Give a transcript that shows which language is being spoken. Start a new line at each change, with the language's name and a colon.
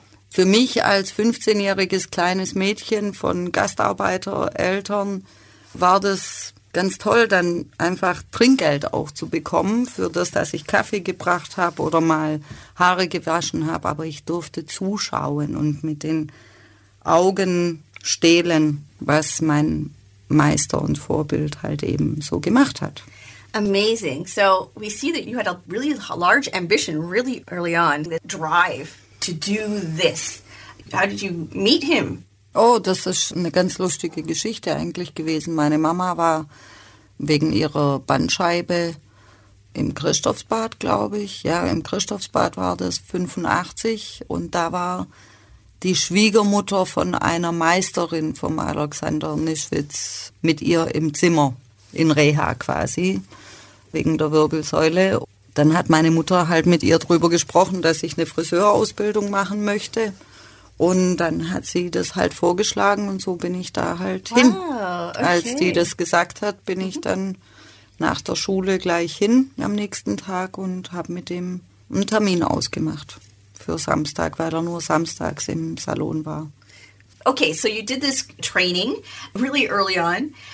German: Für mich als 15-jähriges kleines Mädchen von Gastarbeitereltern war das ganz toll, dann einfach Trinkgeld auch zu bekommen für das, dass ich Kaffee gebracht habe oder mal Haare gewaschen habe. Aber ich durfte zuschauen und mit den Augen stehlen, was mein Meister und Vorbild halt eben so gemacht hat.
English: Amazing. So we see that you had a really large ambition really early on, the drive to do this. How did you meet him?
German: Oh, das ist eine ganz lustige Geschichte eigentlich gewesen. Meine Mama war wegen ihrer Bandscheibe im Christophsbad, glaube ich. Ja, im Christophsbad war das 85 und da war die Schwiegermutter von einer Meisterin vom Alexander Nischwitz mit ihr im Zimmer, in Reha quasi, wegen der Wirbelsäule. Dann hat meine Mutter halt mit ihr drüber gesprochen, dass ich eine Friseurausbildung machen möchte. Und dann hat sie das halt vorgeschlagen und so bin ich da halt hin.
English: Wow, okay.
German: Als die das gesagt hat, bin ich dann nach der Schule gleich hin am nächsten Tag und habe mit dem einen Termin ausgemacht für Samstag, weil er nur samstags im Salon war.
English: Okay, so you did this training really early on.